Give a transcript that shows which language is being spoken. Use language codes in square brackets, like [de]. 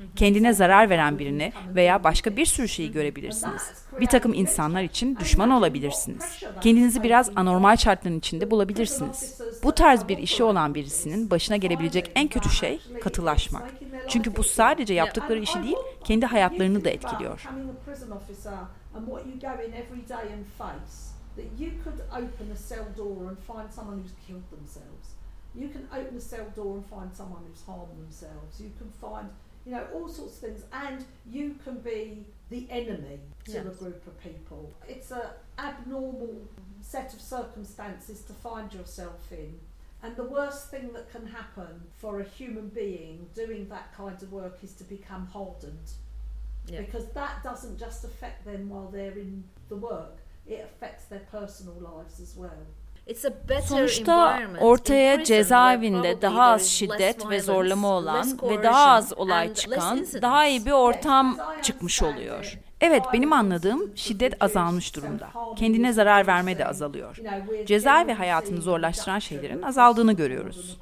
[tr] Kendine zarar veren birini veya başka bir sürü şeyi görebilirsiniz. Bir takım insanlar için düşman olabilirsiniz. Kendinizi biraz anormal şartların içinde bulabilirsiniz. Bu tarz bir işi olan birisinin başına gelebilecek en kötü şey katılaşmak. Çünkü bu sadece yaptıkları işi değil, kendi hayatlarını da etkiliyor. [en] And what you go in every day and face, that you could open a cell door and find someone who's killed themselves. You can open a cell door and find someone who's harmed themselves. You can find, you know, all sorts of things. And you can be the enemy to a group of people. It's an abnormal set of circumstances to find yourself in. And the worst thing that can happen for a human being doing that kind of work is to become hardened. Yeah. Because that doesn't just affect them while they're in the work, it affects their personal lives as well. [tr] Sonuçta ortaya cezaevinde daha az şiddet ve zorlama olan ve daha az olay çıkan daha iyi bir ortam çıkmış oluyor. Evet, benim anladığım şiddet azalmış durumda. Kendine zarar verme de azalıyor. Cezaevi hayatını zorlaştıran şeylerin azaldığını görüyoruz.